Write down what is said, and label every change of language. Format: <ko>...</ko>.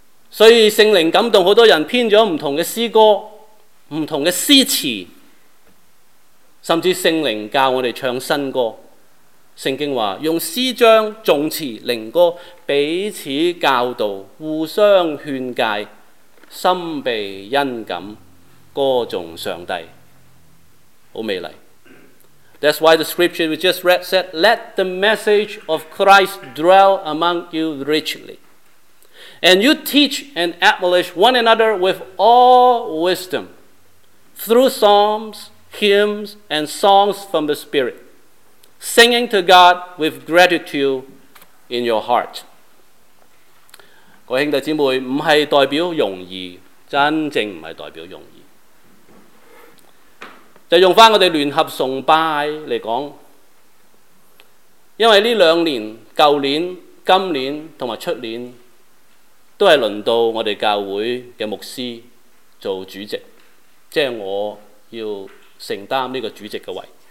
<zh>所以聖靈感動很多人編了不同的詩歌，不同的詩詞，甚至聖靈教我們唱新歌。聖經說用詩章、頌詞、靈歌彼此教導，互相勸戒，心被恩感，歌頌上帝，好美麗。</zh> <en>That's why the scripture we just read said, Let the message of Christ dwell among you richly, and you teach and admonish one another with all wisdom, through psalms, hymns, and songs from the Spirit, singing to God with gratitude in your heart.</en> <zh>各位兄弟姊妹，不是代表容易，真正不是代表容易。就用我们联合崇拜来说，因为这两年，去年、今年和出年，都是轮到我们教会的牧师做主席，即是我要承担这个主席的位置。</zh>